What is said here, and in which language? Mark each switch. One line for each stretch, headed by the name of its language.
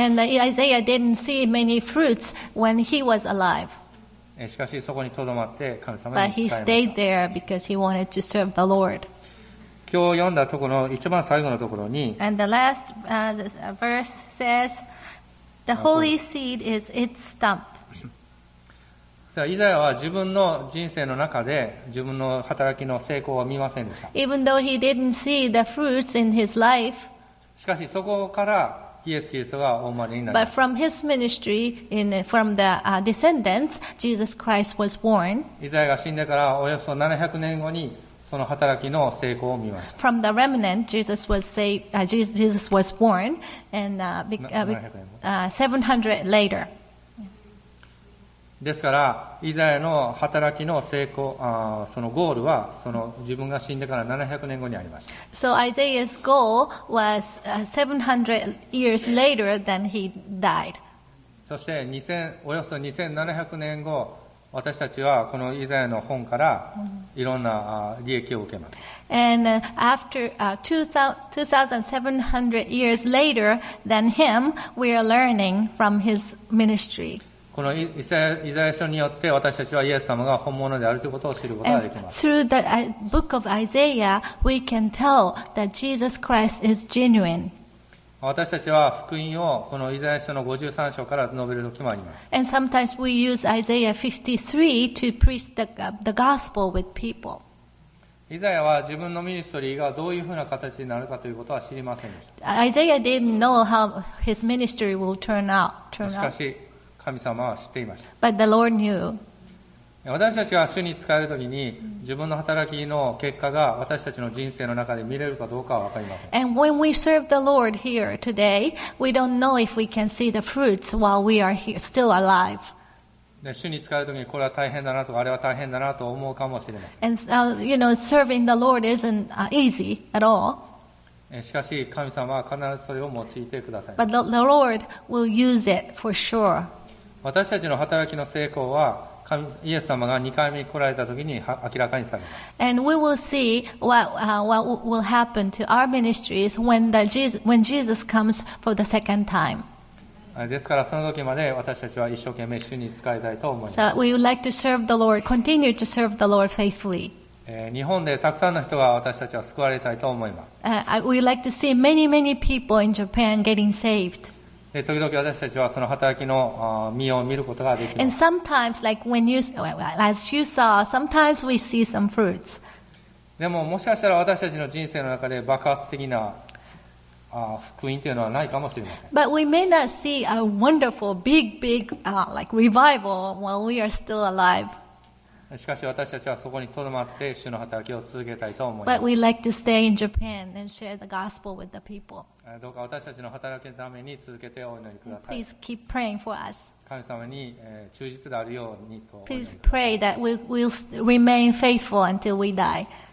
English: And Isaiah didn't see many fruits when he was alive.
Japanese: しかしそこにとどまって神様に使えました。
English: But he stayed there because he wanted to serve the Lord.
Japanese: 今日読んだところの一番最後のところに
English: And the last verse says The holy seed is its stump.
Japanese: イザヤは自分の人生の中で自分の働きの成功は見ませんでした。
English: Even though he didn't see the fruits in his life.
Japanese: しかしそこからイエス・キリストがお生まれになります。
English: But from his ministry, from the descendants, Jesus Christ was born.
Japanese: イザヤが死んでからおよそ700年後にその働きの成功を見ました。
English: From the remnant, Jesus was born, and 700 later.
Japanese: ですから、イザヤの働きの成功、そのゴールは、その自分が死んでから700年後にありました。
English: So Isaiah's goal was 700 years later than he died.
Japanese: そして およそ2700年後、私たちはこのイザヤの本からいろんな利益を受けます。
English: And after 2700 years later than him, we are learning from his ministry.
Japanese: このイザヤ書によって私たちはイエス様が本物であるということを知ることができます。
English: Through the book of Isaiah, we can tell that Jesus Christ is genuine.
Japanese: 私たちは福音をこのイザヤ書の53章から述べるときもあります。
English: And sometimes we use Isaiah 53 to preach the gospel with people.
Japanese: イザヤは自分のミニストリーがどういうふうな形になるかということは知りませんでした。
English: Isaiah didn't know how his ministry will turn out.
Japanese: しかし神様は知っていました。
English: But the Lord knew.
Japanese: 私たちが主に仕えるときに自分の働きの結果が私たちの人生の中で見れるかどうかは分かりません。
English: And when we serve the Lord here today, we don't know if we can see the fruits while we are here, still alive.
Japanese: 主に仕えるときにこれは大変だなとかあれは大変だなと思うかもしれません。
English: And you know, serving the Lord isn't easy at all.
Japanese: しかし神様は必ずそれを用いてください。
English: But the Lord will use it for sure.
Japanese: 私たちの働きの成功は神イエス様が2回目に来られた時に明らかにされます。
English: And we will see what will happen to our ministries when Jesus comes for the second time.
Japanese: ですからその時まで私たちは一生懸命主に仕えたいと思います。
English: So we would like to serve the Lord, continue to serve the Lord faithfully.
Japanese: 日本でたくさんの人が私たちは救われたいと思います。
English: We'd like to see many, many people in Japan getting saved.
Japanese: 時々私たちはその働きの身を見ることができます。
English: And sometimes, like when you, as you saw, sometimes we see some fruits.
Japanese: でももしかしたら私たちの人生の中で爆発的な福音というのはないかもしれません。
English: But we may not see a wonderful, big, big, like revival while we are still alive.
Japanese: しかし私たちはそこに留まって主の働きを続けたいと思います。
English: But we like to stay in Japan and share the gospel with the people.
Japanese: どうか私たちの働きのために続けてお祈りください。
English: Please keep praying for us.
Japanese: 神様に忠実であるようにと。
English: Please pray that we will remain faithful until we die.